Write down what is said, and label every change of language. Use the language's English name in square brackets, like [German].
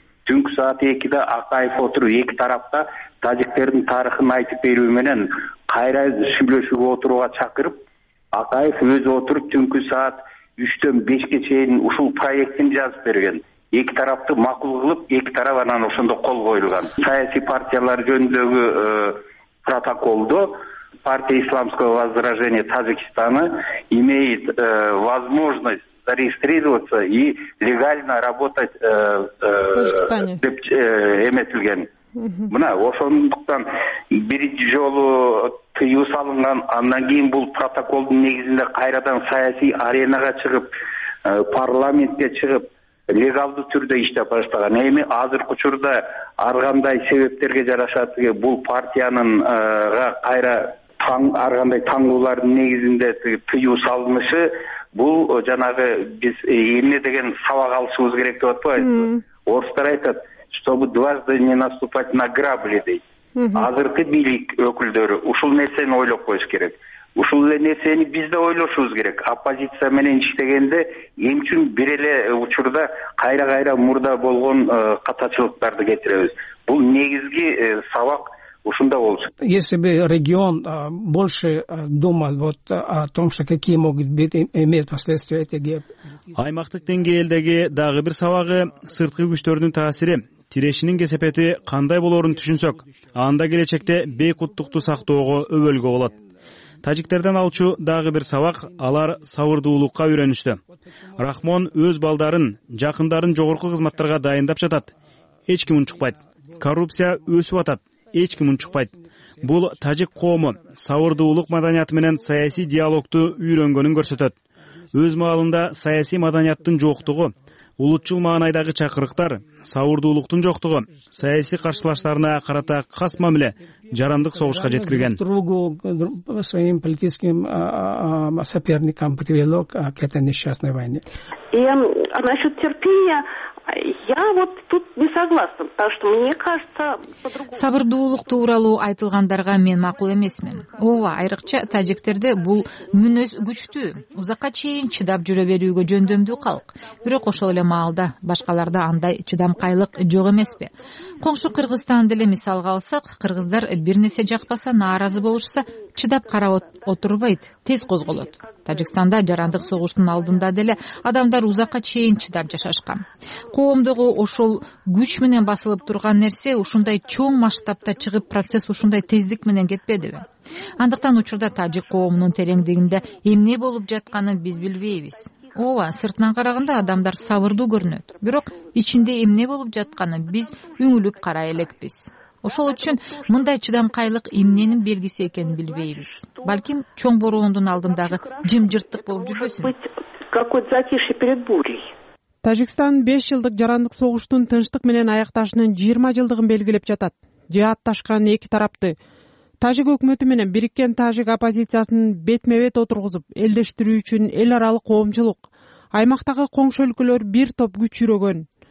[Kyrgyz] Түнкү саат 2:00 Акаев отуруп эки тарапта тажиктердин тарыхын айтып берүү менен кайра сүйлөшүүгө отурууга чакырып, Акаев өзү отуруп түнкү саат 3:00-5:00 чейин ушул проектин жазып берген. Эки тарапты макул кылып, эки тарап анан ошондо кол коюлган. Саясий партиялар жөнүндөгү протоколдо [Russian] партия исламского возрождения Таджикистана имеет возможность зарегистрироваться и легально работать [Kyrgyz] деп эметилген. Мына ошондуктан бир жолу тыюу салынган, андан кийин бул протоколдун негизинде кайрадан саясий аренага чыгып, парламентке чыгып легалдуу түрдө иштеп баштаган. Эми азыркы учурда ар кандай себептерге жараша бул партиянын кайра ар кандай таңдоолордун негизинде тыюу салынышы бул жанагы биз эмне деген сабак алышыбыз керек деп атпайбызбы? Орустар айтат, [Russian] чтобы дважды не наступать на грабли [Kyrgyz] дейт. Азыркы бийлик өкүлдөрү ушул нерсени ойлоп коюш керек. Ушул эле нерсени биз да ойлошубуз керек. Оппозиция менен иштегенде эмне үчүн бир эле учурда кайра кайра мурда болгон катачылыктарды кетиребиз? Бул негизги сабак ушунда болчу. [Russian] Если бы регион больше думал вот о том, что какие могут быть иметь последствия этих геополитических. [Kyrgyz] Аймактык деңгээлдеги дагы бир сабагы сырткы күчтөрдүн таасири. Тирешинин кесепети кандай болорун түшүнсөк, анда келечекте бейкуттукту сактоого өбөлгө болот. Тажиктерден алчу дагы бир сабак, алар сабырдуулукка үйрөнүштү. Рахмон өз балдарын, жакындарын жогорку кызматтарга дайындап жатат. Эч ким унчукпайт. Коррупция өсүп атат. Эч ким унчукпайт. Бул тажик коому сабырдуулук маданияты менен саясий диалогду үйрөнгөнүн көрсөтөт. Өз маалында саясий маданияттын жоктугу, улутчул маанайдагы чакырыктар, сабырдуулуктун жоктугу саясий каршылаштарына карата кас мамиле жарандык согушка жеткирген. [Russian] Своим политическим соперникам привело к этой несчастной войне. А насчет терпения, я вот тут не согласна, потому что мне кажется, по-другому. [Kyrgyz] Сабырдуулук тууралуу айтылгандарга мен макул эмесмин. Ооба, айрыкча тажиктерде бул мүнөз күчтүү, узакка чейин чыдап жүрө берүүгө жөндөмдүү калк. Бирок ошол эле маалда башкаларда андай чыдамкайлык жок эмеспи? Коңшу Кыргызстан деле мисалга алсак, кыргыздар бир нерсе жакпаса, нааразы болушса, чыдап карап отурбайт, тез козголот. Тажикстанда жарандык согуштун алдында деле адамдар узакка чейин чыдап жашашкан. Коомдогу ошол күч менен басылып турган нерсе ушундай чоң масштабта чыгып, процесс ушундай тездик менен кетпедиби? Андыктан учурда тажик коомунун тереңдигинде эмне болуп жатканын биз билбейбиз. Ооба, сыртынан караганда адамдар сабырдуу көрүнөт. Бирок ичинде эмне болуп жатканын биз үңүлүп карай элекпиз. Ошол үчүн мындай чыдамкайлык эмненин белгиси экенин билбейбиз. Балким чоң бороондун алдындагы жимжырттык болуп жүрбөсүн. [Russian] Какой-то затишье перед бурей. [Kyrgyz] Тажикстан 5 жылдык жарандык согуштун тынчтык менен аякташынын 20 жылдыгын белгилеп жатат. Жаатташкан эки тарапты тажик өкмөтү менен бириккен тажик оппозициясын бетме-бет отургузуп, элдештирүү үчүн эл аралык коомчулук, аймактагы коңшу өлкөлөр бир топ күч жүрөгөн.